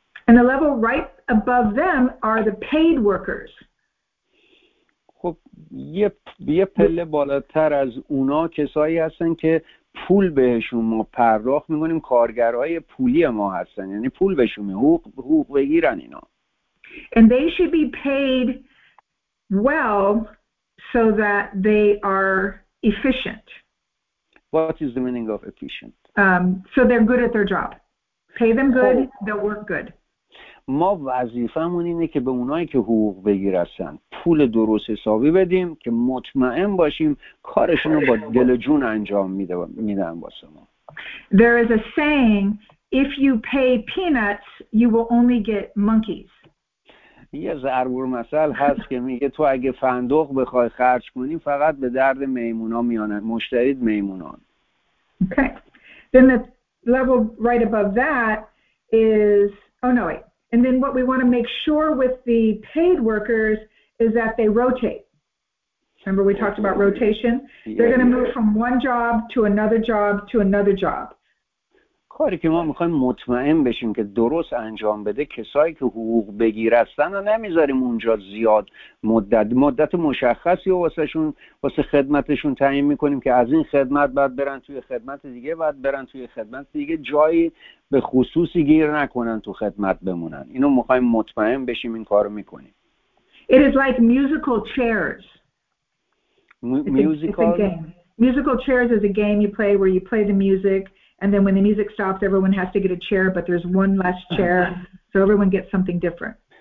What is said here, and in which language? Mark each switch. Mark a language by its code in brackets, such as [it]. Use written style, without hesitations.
[en] And the level right above them are the paid workers. [fa] خب یه پله بالاتر از اونا کسایی هستن که پول بهشون ما پرداخت میکنیم، کارگرهای پولی ما هستن، یعنی پول بهشون حقوق بگیرن اینا. [en] And they should be paid well so that they are efficient. What is the meaning of efficient? So they're good at their job. Pay them good, they'll work good. [fa] ما وظیفه‌مون اینه که به اونایی که حقوق بگیرن پول درست حسابی بدیم که مطمئن باشیم کارشون رو با دل و جون انجام میدن واسه ما. [en] There is a saying, if you pay peanuts, you will only get monkeys. [fa] یه ضرب المثل هست که میگه تو اگه فندق بخوای خرج کنی فقط به درد میمونا میانن، مشتریت میمونان. [en] Okay. Then the level right above that is, oh no wait. And then what we want to make sure with the paid workers is that they rotate. Remember we talked about rotation? They're going to move from one job to another job to another job. [fa] کاری که ما میخوایم مطمئن بشیم که درست انجام بده، کسایی که حقوق بگیرستن و نمیذاریم اونجا زیاد مدت مشخصی و واسه خدمتشون تعیین میکنیم که از این خدمت بعد برن توی خدمت دیگه، بعد برن توی خدمت دیگه، جایی به خصوصی گیر نکنن تو خدمت بمونن. اینو میخوایم مطمئن بشیم این کارو میکنیم. [en] It is like musical chairs. Musical chairs is a game you play where you play the music. And then when the music stops, everyone has to get a chair, but there's one less chair, so everyone gets something different.